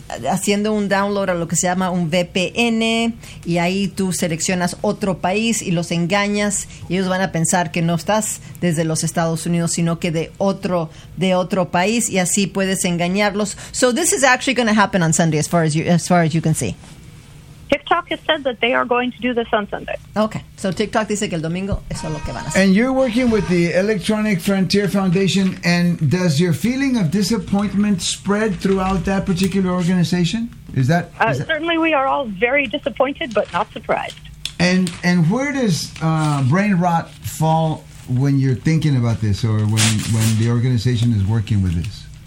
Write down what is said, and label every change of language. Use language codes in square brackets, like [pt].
[es] haciendo un download a lo que se llama un VPN, y ahí tú seleccionas otro país y los engañas, y ellos van a pensar que no estás desde los Estados Unidos, sino que de otro país, y así puedes engañarlos. [en] So this is actually going to happen on Sunday, as far as you can see. TikTok has said that they are going to do this on Sunday. [es] Okay, so TikTok dice que el domingo eso es lo que van a hacer. [en] And you're working with the Electronic Frontier Foundation, and does your feeling of disappointment spread throughout that particular organization? Certainly we are all very disappointed, but not surprised. And where does brain rot fall when you're thinking about this, or when the organization is working with this?